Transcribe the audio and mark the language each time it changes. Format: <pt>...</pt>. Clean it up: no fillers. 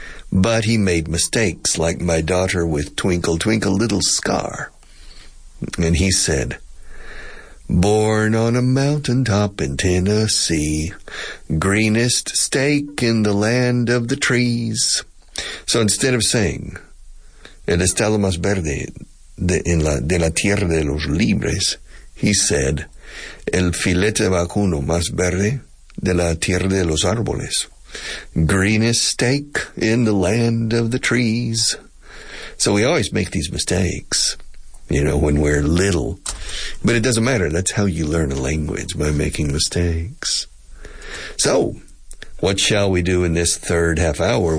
<en>But he made mistakes, like my daughter with Twinkle, Twinkle, Little Star. And he said, "Born on a mountaintop in Tennessee, greenest stake in the land of the trees." So instead of saying,</en> <es>"El estado más verde de la tierra de los libres,"</es> <en>he said,</en> <es>"El filete vacuno más verde de la tierra de los árboles."</es> <en>Greenest stake in the land of the trees. So we always make these mistakes, when we're little. But it doesn't matter. That's how you learn a language, by making mistakes. So, what shall we do in this third half hour?</en>